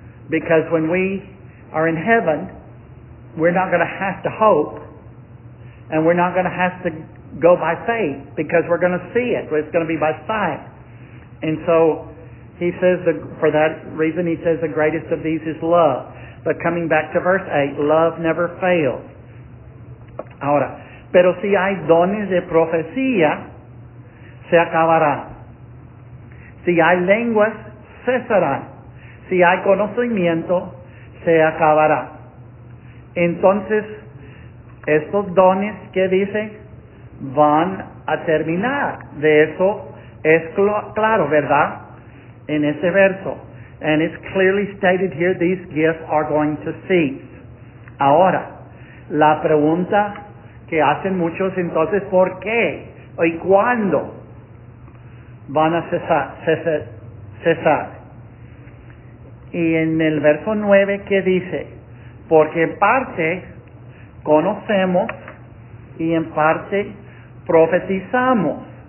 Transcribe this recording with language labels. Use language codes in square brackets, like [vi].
[en] Because when we are in heaven, we're not going to have to hope. And we're not going to have to go by faith because we're going to see it. It's going to be by sight. And so, he says, for that reason, he says the greatest of these is love. But coming back to verse 8, love never fails. [es] Ahora, pero si hay dones de profecía, se acabará. Si hay lenguas, cesarán. si hay conocimiento, se acabará. Entonces, estos dones que dice van a terminar. De eso es claro, ¿verdad? En ese verso. [en] And it's clearly stated here, these gifts are going to cease. [es] Ahora, la pregunta que hacen muchos entonces, ¿por qué y cuándo van a cesar? Y en el verso 9, ¿qué dice? Porque en parte conocemos y en parte profetizamos.